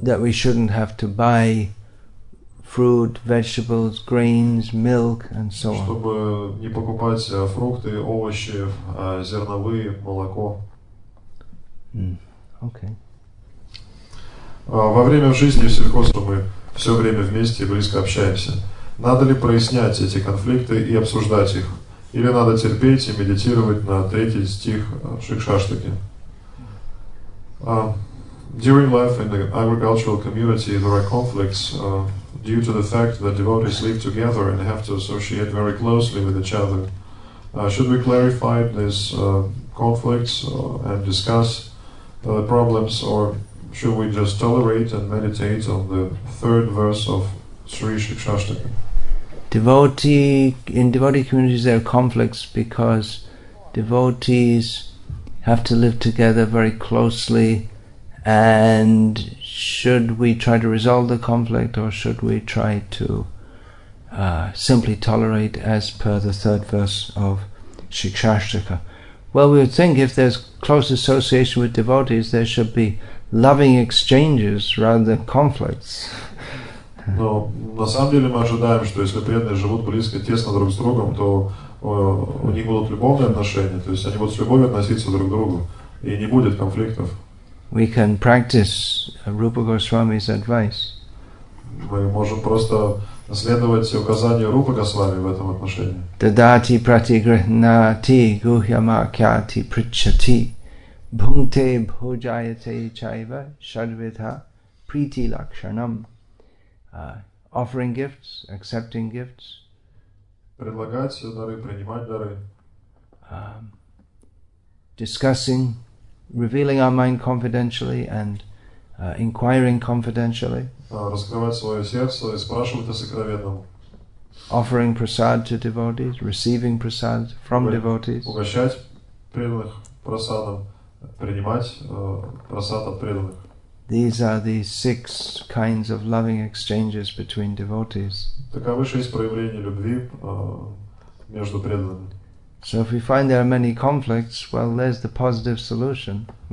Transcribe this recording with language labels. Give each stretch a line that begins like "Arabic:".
English: That we shouldn't have to buy fruit, vegetables, grains, milk, and so on.
Russian: Чтобы не покупать фрукты, овощи, зерновые, молоко.
English: Okay.
Russian: Во время жизни в сельхозе мы все время вместе и близко общаемся. Надо ли прояснять эти конфликты и обсуждать их? Или надо терпеть и медитировать на третий стих Шикшаштаки?
English: During life in the agricultural community, there are conflicts due to the fact that devotees live together and have to associate very closely with each other. Should we clarify these conflicts and discuss the problems, or should we just tolerate and meditate on the third verse of Sri Shikshashtaka? In devotee communities, there are conflicts because devotees have to live together very closely. And should we try to resolve the conflict, or should we try to simply tolerate as per the third verse of Shikshashtaka? Well, we would think if there's close association with devotees, there should be loving exchanges rather than conflicts.
Russian: Но на самом деле мы ожидаем, что если преданные живут близко, тесно друг с другом, то у них будут любовные отношения, то есть они будут с любовью относиться друг к другу, и не будет конфликтов.
English: We can practice Rupa Goswami's advice.
Russian: Мы можем просто следовать указанию Рупы Госвами в этом отношении.
Sanskrit: Дадати пратигрихнати гухьямакьяти причати бхунте бхуджаяте чайва шадвитха прити лакшанам.
English: Offering gifts, accepting gifts.
Russian: Предлагать дары, принимать дары.
English: Discussing, revealing our mind confidentially and inquiring confidentially.
Russian: Раскрывать свое сердце и спрашивать о сокровенном.
English: Offering prasad to devotees, receiving prasad from devotees.
Russian: Угощать преданных прасадом, принимать прасад от преданных.
English: These are the six kinds of loving exchanges between devotees.
Russian: Таковы шесть проявлений любви между преданными.
English: So if we find there are many conflicts, well, there's the positive solution.